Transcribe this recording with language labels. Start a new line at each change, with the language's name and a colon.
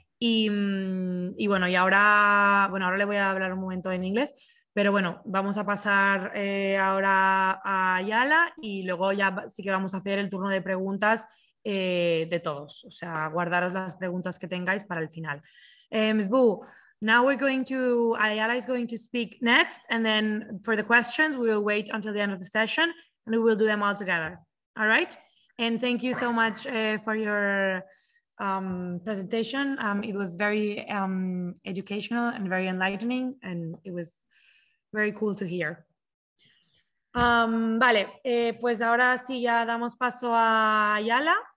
Spanish: Y bueno, y ahora, bueno, ahora le voy a hablar un momento en inglés, pero bueno, vamos a pasar ahora a Ayala y luego ya sí que vamos a hacer el turno de preguntas de todos. O sea, guardaros las preguntas que tengáis para el final.
English: Ms. Bu, now we're going to, Ayala is going to speak next, and then for the questions, we will wait until the end of the session and we will do them all together. All right? And thank you so much for your presentation. It was very educational and very enlightening, and it was very cool to hear.
Spanish: Vale, pues ahora sí ya damos paso a Ayala.